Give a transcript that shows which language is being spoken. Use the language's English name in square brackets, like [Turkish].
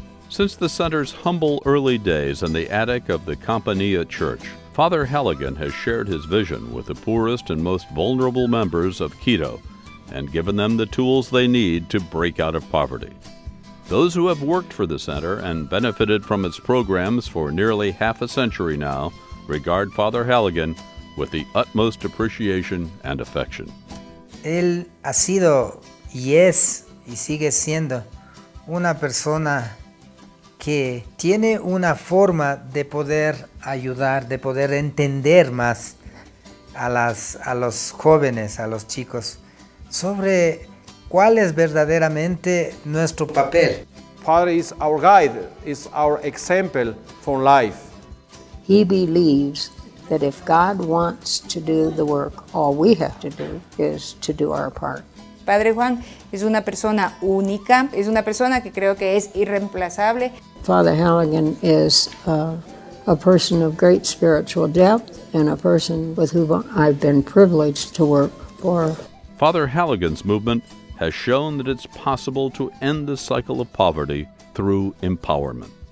[English] Since the center's humble early days in the attic of the Compania Church, Father Halligan has shared his vision with the poorest and most vulnerable members of Quito, and given them the tools they need to break out of poverty. Those who have worked for the center and benefited from its programs for nearly half a century now regard Father Halligan with the utmost appreciation and affection. [Spanish] Él ha sido y es y sigue siendo una persona que tiene una forma de poder ayudar, de poder entender más a los jóvenes, a los chicos, sobre cuál es verdaderamente nuestro papel. [English] Padre is our guide, is our example for life. He believes that if God wants to do the work, all we have to do is to do our part. [Spanish] Padre Juan es una persona única, es una persona que creo que es irreemplazable. [English] Father Halligan is a person of great spiritual depth and a person with whom I've been privileged to work for. Father Halligan's movement has shown that it's possible to end the cycle of poverty through empowerment.